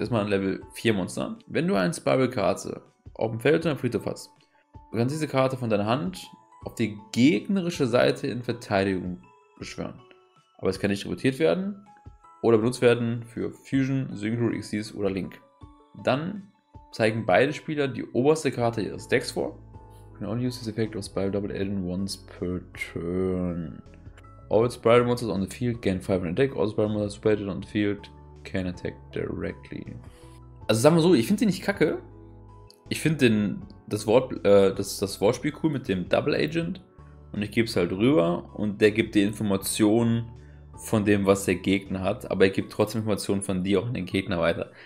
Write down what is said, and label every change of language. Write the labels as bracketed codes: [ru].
[de] Erstmal ein Level 4 Monster. Wenn du eine Spiral-Karte auf dem Feld oder im Friedhof hast, du kannst diese Karte von deiner Hand auf die gegnerische Seite in Verteidigung beschwören. Aber es kann nicht rotiert werden. Oder benutzt werden für Fusion, Synchro, Xyz oder Link. Dann zeigen beide Spieler die oberste Karte ihres Decks vor. [en] You can only use this effect of Spiral Double Agent once per turn. All Spiral Monsters on the field gain 500 attack. All Spiral Monsters Spiral on the field can attack directly. [de] Also sagen wir so, ich finde sie nicht kacke. Ich finde das Wortspiel cool mit dem Double Agent. Und ich gebe es halt rüber und der gibt die Informationen von dem, was der Gegner hat, aber er gibt trotzdem Informationen von dir auch an den Gegner weiter.